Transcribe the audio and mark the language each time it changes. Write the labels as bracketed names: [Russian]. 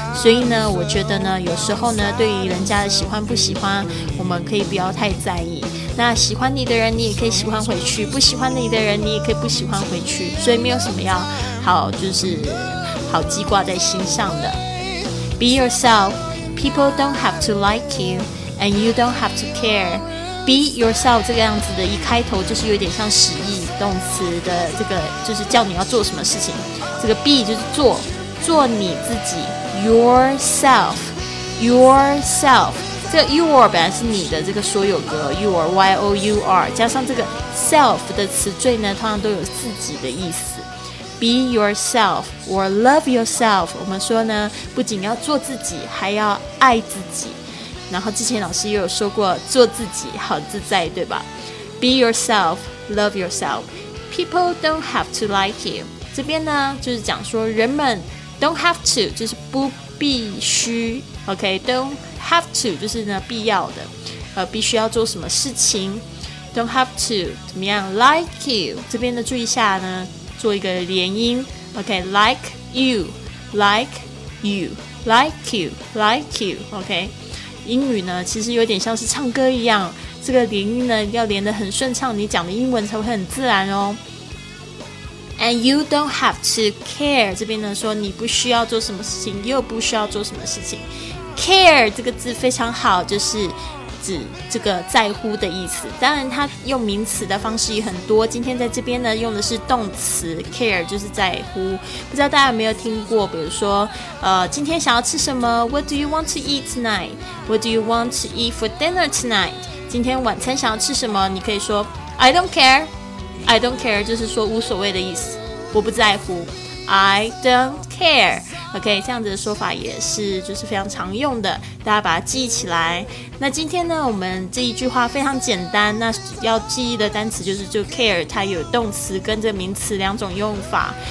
[Chinese] 所以呢，我觉得呢，有时候呢，对于人家的喜欢不喜欢，我们可以不要太在意。那喜欢你的人，你也可以喜欢回去；不喜欢你的人，你也可以不喜欢回去。所以没有什么要好，就是好记挂在心上的。 [English] Be yourself. People don't have to like you, and you don't have to care. Be yourself [Chinese] 这个样子的一开头就是有点像实义动词的这个，就是叫你要做什么事情。这个 be 就是做，做你自己。 [English] Yourself, yourself. [Chinese] 这个 your 本来是你的这个所有格 your y o u r 加上这个 self 的词缀呢，通常都有自己的意思。 [English] Be yourself or love yourself。 [Chinese] 我们说呢，不仅要做自己，还要爱自己。然后之前老师也有说过，做自己好自在，对吧 ？ [English] Be yourself, love yourself. People don't have to like you。 [Chinese] 这边呢，就是讲说人们 [English] don't have to， [Chinese] 就是不必须。 [English] OK， don't。 [Chinese] Have to 就是呢必要的，必须要做什么事情。 [English] Don't have to [Chinese] 怎么样 ？ [English] Like you [Chinese] 这边呢注意一下呢，做一个连音。 [English] OK，like you，like you，like you，like you。 [Chinese] OK， 英语呢其实有点像是唱歌一样，这个连音呢要连得很顺畅，你讲的英文才会很自然哦。 [English] And you don't have to care [Chinese] 这边呢说你不需要做什么事情，又不需要做什么事情。 Care 这个字非常好，就是指这个在乎的意思。当然，它用名词的方式也很多。今天在这边呢，用的是动词 care， 就是在乎。不知道大家有没有听过？比如说，今天想要吃什么 ？ [English] What do you want to eat tonight? What do you want to eat for dinner tonight? [Chinese] 今天晚餐想要吃什么？你可以说 [English] I don't care. I don't care [Chinese] 就是说无所谓的意思，我不在乎。 [English] I don't care. [Chinese] OK， 这样子的说法也是就是非常常用的，大家把它记起来。那今天呢，我们这一句话非常简单，那要记忆的单词就是就 care， 它有动词跟这个名词两种用法。